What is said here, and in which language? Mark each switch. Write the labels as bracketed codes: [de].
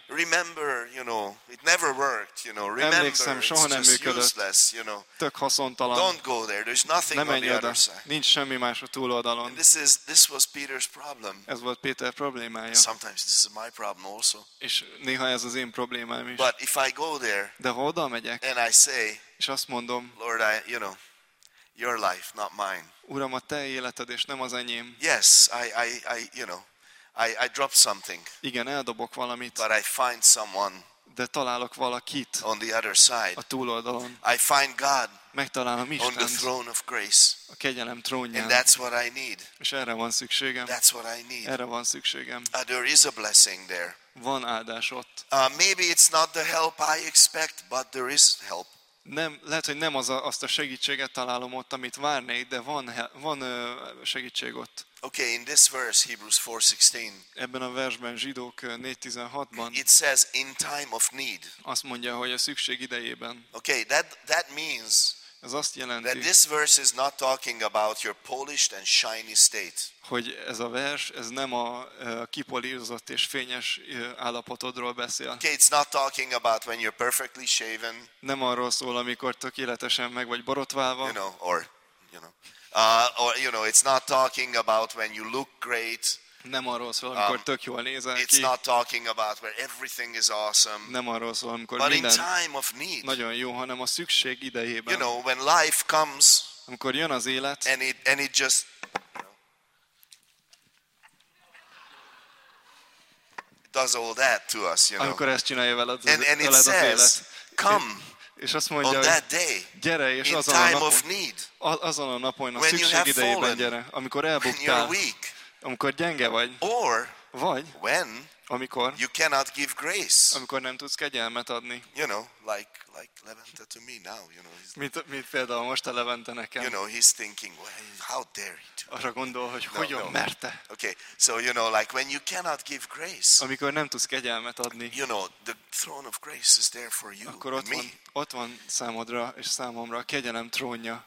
[en] Remember, you know, it never worked, you know. Remember, [hu] emlékszem, soha nem működött. [en] Useless, you know. [hu] Tök haszontalan. [en] Don't go there. There's nothing on the other side. [hu] Nincs semmi más a túloldalon. [en] This was Peter's problem. [hu] Ez volt Péter problémája. [en] And sometimes this is my problem also. [hu] És néha ez az én problémám is. [en] But if I go there, [hu] de ha oda megyek, [en] and I say, [hu] és azt mondom, [en] Lord, I, you know, your life, not mine. [hu] Uram, a te életed és nem az enyém. [en] Yes, I, you know. I drop something. [hu] Igen, eldobok valamit. [en] But I find someone. [hu] De találok valakit. [en] On the other side. [hu] A túloldalon. [en] I find God. [hu] Megtalálom Istent. [en] On the throne of grace. [hu] A kegyelem trónján. [en] And that's what I need. [hu] És erre van szükségem. [en] That's what I need. [hu] Erre van szükségem. [en] There is a blessing there. [hu] Van áldás ott. [en] Maybe it's not the help I expect, but there is help. [hu] Nem, lehet, hogy nem az azt a segítséget találom ott, amit várnék, de van segítség ott. [en] Okay, in this verse, Hebrews 4:16. [hu] Ebben a versben, Zsidók 4:16-ban. [en] It says in time of need. [hu] Azt mondja, hogy a szükség idejében. [en] Okay, that means. [hu] Ez azt jelenti. [en] That this verse is not talking about your polished and shiny state. [hu] Hogy ez a vers, ez nem a kipolírozott és fényes állapotodról beszél. [en] Okay, it's not talking about when you're perfectly shaven. [hu] Nem arról szól, amikor tökéletesen meg vagy borotválva. [en] You know, or, you know. Or you know, it's not talking about when you look great. [hu] Nem arról szól, amikor tök jól nézel ki. [en] It's not talking about where everything is awesome. [hu] Nem arról szól, amikor minden [en] in time of need. [hu] Nagyon jó, hanem a szükség idejében. [en] You know, when life comes. [hu] Amikor jön az élet. [en] And it just, you know, does all that to us, you know. [hu] Amikor ezt csinálja veled az [en] and [hu] veled [en] it says, [hu] élet. [en] Come. [hu] És azt mondja, [en] on that day, [hu] gyere, és [en] in [hu] azon [en] time [hu] a napon, [en] of need, [hu] azon a napon, a szükség idejében, [en] fallen, [hu] gyere, amikor elbuktál, [en] when you're weak, [hu] amikor gyenge vagy, [en] or [hu] vagy, [en] when [hu] Amikor? [en] You cannot give grace. [hu] Amikor nem tudsz kegyelmet adni. [en] You know, like Levente to me now, you know. [hu] Mit például most a Levente nekem. [en] You know, he's thinking, well, how dare he do? [hu] Arra gondol, hogy hogyan merte. [en] Okay, so you know, like when you cannot give grace. [hu] Amikor nem tudsz kegyelmet adni. [en] You know, the throne of grace is there for you. [hu] Akkor ott van számodra és számomra a kegyelem trónja.